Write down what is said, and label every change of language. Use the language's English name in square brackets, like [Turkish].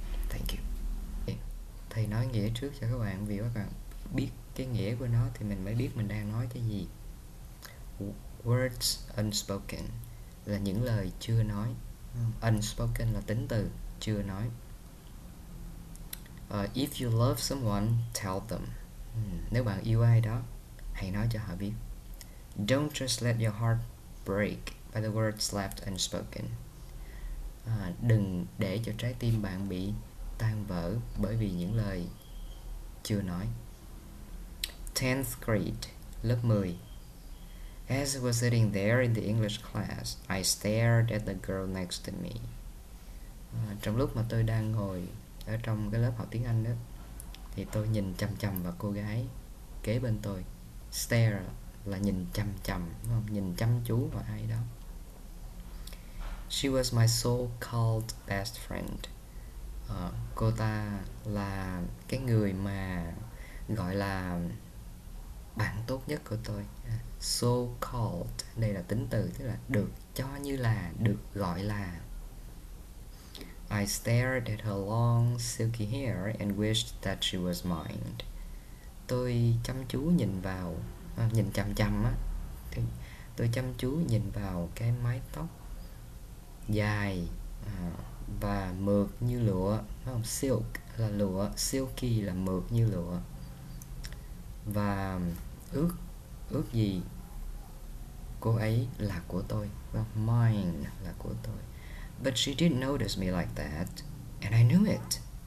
[Vietnamese] Thank Thầy nói nghĩa trước cho các bạn, vì các bạn biết cái nghĩa của nó thì mình mới biết mình đang nói cái gì. Words unspoken là những lời chưa nói. Unspoken là tính từ, chưa nói. [English] If you love someone, tell them. [Vietnamese] Nếu bạn yêu ai đó, hãy nói cho họ biết. [English] Don't just let your heart break by the words left unspoken. [Vietnamese] Đừng để cho trái tim bạn bị tan vỡ bởi vì những lời chưa nói. 10th grade, lớp 10. [English] As I was sitting there in the English class, I stared at the girl next to me. [Vietnamese] Trong lúc mà tôi đang ngồi ở trong cái lớp học tiếng Anh đó, thì tôi nhìn chằm chằm vào cô gái kế bên tôi. Stare là nhìn chằm chằm, đúng không? Nhìn chăm chú vào ai đó. [English] She was my so-called best friend. [Vietnamese] Cô ta là cái người mà gọi là bạn tốt nhất của tôi. So-called, đây là tính từ, tức là được cho như là, được gọi là. [English] I stared at her long silky hair and wished that she was mine. [Vietnamese] Tôi chăm chú nhìn vào, nhìn chằm chằm á. Tôi chăm chú nhìn vào cái mái tóc dài và mượt như lụa, không, silk là lụa, silky là mượt như lụa, và ước ước gì cô ấy là của tôi, không, mine là của tôi. [English] But she didn't notice me like that, and I knew it.